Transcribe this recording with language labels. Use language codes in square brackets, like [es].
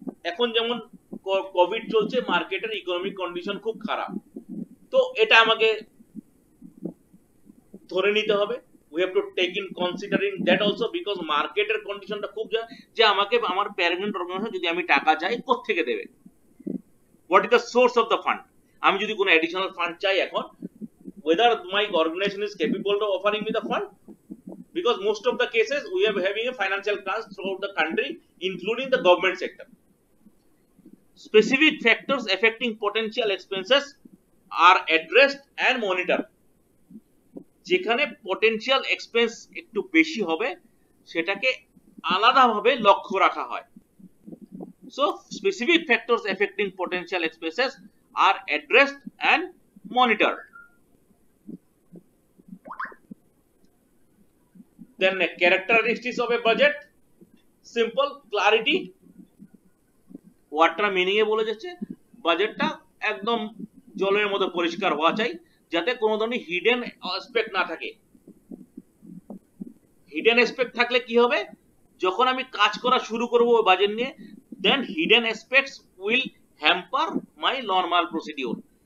[bn] এখন যেমন কোভিড চলছে, মার্কেটের ইকোনমিক কন্ডিশন খুব খারাপ, তো এটা আমাকে ধরে নিতে হবে. [en] we have to take in considering that also, [bn] because মার্কেটের কন্ডিশনটা খুব, যে আমাকে আমার প্যারেন্ট অর্গানাইজেশন যদি আমি টাকা চাই কোথা থেকে দেবে, [en] what is the source of the fund. [bn] আমি যদি কোনো [en] additional fund [bn] চাই এখন, [en] whether my organization is capable of offering me the fund, because most of the cases we are having a financial crunch throughout the country, including the government sector. Specific factors affecting potential expenses are addressed and monitored. [bn] যেখানে potential expense একটু বেশি হবে সেটাকে আলাদাভাবে লক্ষ্য রাখা হয়। [en] So specific factors affecting potential expenses are addressed and monitored. Then the characteristics of a budget, simple clarity. What meaning [bn] বলে যাচ্ছে বাজেটটা একদম জলের মতো পরিষ্কার হওয়া চাই, যাতে কোনো ধরনের হিডেন অ্যাসপেক্ট না থাকে। হিডেন অ্যাসপেক্ট থাকলে কি হবে, যখন আমি কাজ করা শুরু করব বাজেট নিয়ে, [en] Then hidden aspects will hamper my normal procedure.